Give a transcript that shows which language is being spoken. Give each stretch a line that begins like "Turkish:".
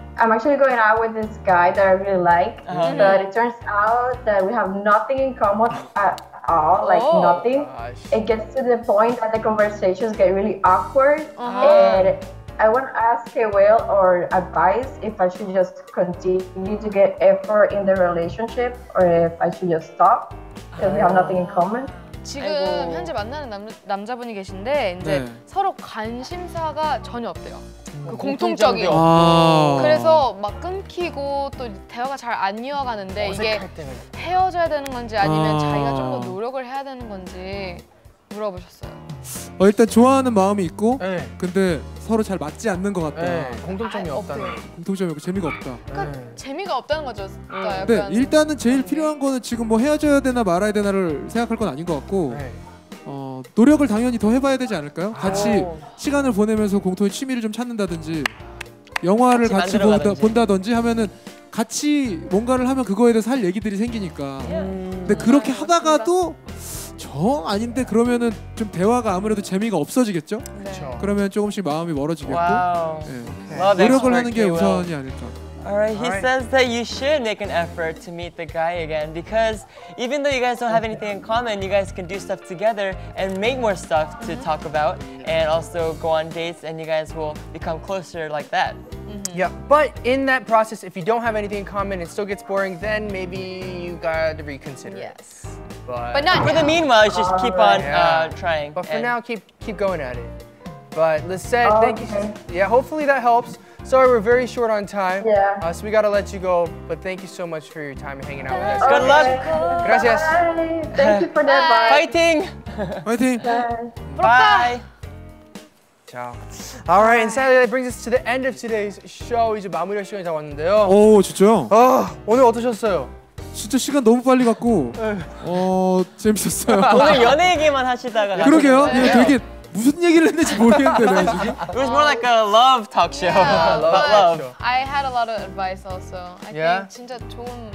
English: I'm actually going out with this guy that I really like, but it turns out that we have nothing in common at all, like nothing. Gosh. It gets to the point that the conversations get really awkward, and I want to ask K.Will or advice if I should just continue to get effort in the relationship or if I should just stop because we have nothing in common.
Korean: 지금 아이고. 현재 만나는 남자분이 계신데 이제 네. 서로 관심사가 전혀 없대요. 그 공통적인. 아~ 그래서 막 끊기고 또 대화가 잘 안 이어가는데 이게 때문에. 헤어져야 되는 건지 아니면 자기가 좀 더 노력을 해야 되는 건지 물어보셨어요. 일단 좋아하는 마음이 있고 네. 근데 서로 잘 맞지 않는 것 같다. 네. 공통점이 없다는. 공통점이 없고 재미가 없다. 그러니까 네. 재미가 없다는 거죠. 그러니까 네. 일단은 제일 필요한 거는 지금 뭐 헤어져야 되나 말아야 되나를 생각할 건 아닌 것 같고 네. 노력을 당연히 더 해봐야 되지 않을까요? 같이 시간을 보내면서 공통의 취미를 좀 찾는다든지 영화를 같이, 같이 본다든지 하면은 같이 뭔가를 하면 그거에 대해서 할 얘기들이 생기니까 근데 그렇게 하다가도 정 아닌데 그러면은 좀 대화가 아무래도 재미가 없어지겠죠? 네. 그러면 조금씩 마음이 멀어지겠고 네. 노력을 하는 게 우선이 아닐까.
English: Alright, he says that you should make an effort to meet the guy again because even though you guys don't have anything in common, you guys can do stuff together and make more stuff to talk about and also go on dates and you guys will become closer like that. Mm-hmm. Yeah, but in that process, if you don't have anything in common, it still gets boring, then maybe you gotta reconsider yes. it. Yes. But not For the meanwhile, you should just keep on trying. But for now, keep going at it. But Lisette, thank you. Yeah, hopefully that helps. Sorry, we're very short on time. Yeah. So we gotta let you go. But thank you so much for your time and hanging out with us. Good luck. Gracias. Bye. Thank you for the advice. Fighting. Bye. Bye. All right, and sadly, that brings us to the end of today's show.
Korean: 이제 마무리할 시간이 다 왔는데요. 오, 진짜요? 아, 오늘 어떠셨어요? 진짜 시간 너무 빨리 갔고, 어, 재밌었어요. 오늘 연애 얘기만 하시다가. 그러게요. 네. 되게 무슨 얘기를 했는지 모르겠는데, 내가 지금.
English: It was more like a love talk show. Yeah, love. I had a lot of advice also. I think
Korean: 진짜 좋은.